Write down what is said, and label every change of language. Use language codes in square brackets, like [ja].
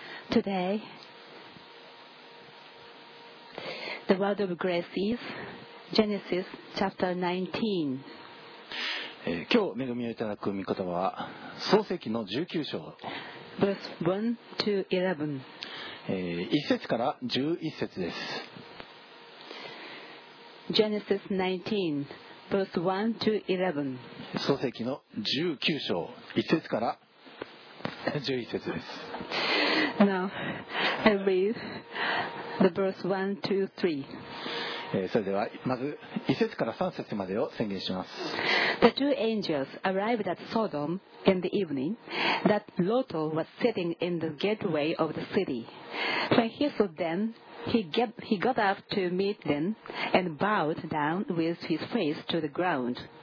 [en] Today, the word of grace is Genesis chapter 19. [ja] 今日恵みをいただく御言葉は創世記の19章 [en] verse 1-11. [ja] 1節から11節です。 [en] Genesis 19 verse 1-11. [ja] 創世記の19章1節から11節です。 [en] Now, I read the verse 1, 2, 3. [ja] それではまず1節から3節までを宣言します。 [en] The two angels arrived at Sodom in the evening that Lot was sitting in the gateway of the city. When he saw them, he got up to meet them and bowed down with his face to the ground.